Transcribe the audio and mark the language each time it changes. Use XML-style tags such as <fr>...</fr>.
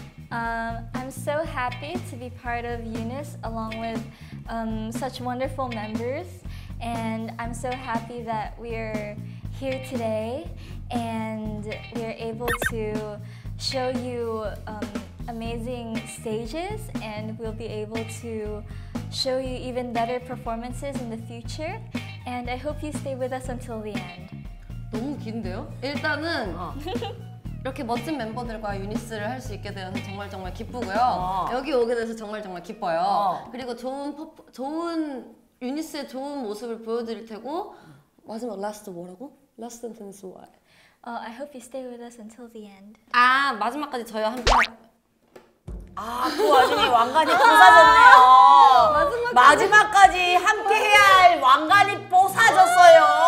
<en>I'm so happy to be part of Eunice along with such wonderful members, and I'm so happy that we're here today and we're able to show you amazing stages, and we'll be able to show you even better performances in the future, and I hope you stay with us until the end.</en> <ko>너무 긴데요? 일단은 이렇게 멋진 멤버들과 유니스를 할 수 있게 되어서 정말 정말 기쁘고요. 여기 오게 돼서 정말 정말 기뻐요. 그리고 좋은 유니스의 좋은 모습을 보여드릴 테고 마지막 라스트 뭐라고?</ko> <en>라스트 센텐스 why? I hope you stay with us until the end.</en> <ko>아 마지막까지 저희와 함께. 아, 그 와중에 왕관이 부사졌네요. 마지막까지 함께해야 할 왕관이 부사졌어요.</ko>